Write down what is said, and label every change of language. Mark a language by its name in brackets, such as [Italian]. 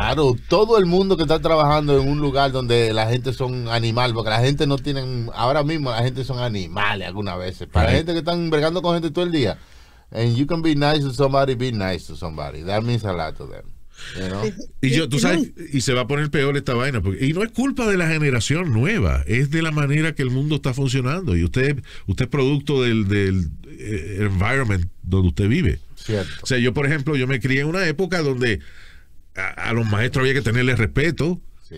[Spanish] Claro, todo el mundo que está trabajando en un lugar donde la gente son animales, porque la gente no tienen, ahora mismo la gente son animales algunas veces. Para la gente que están bregando con gente todo el día. [English] And you can be nice to somebody, be nice to somebody. That means a lot to them. You know? [Spanish] Y yo, tú sabes, y se va a poner peor esta vaina, porque, y no es culpa de la generación nueva, es de la manera que el mundo está funcionando, y usted es producto del environment donde usted vive. Cierto. O sea, yo por ejemplo, yo me crié en una época donde a los maestros había que tenerles respeto, sí.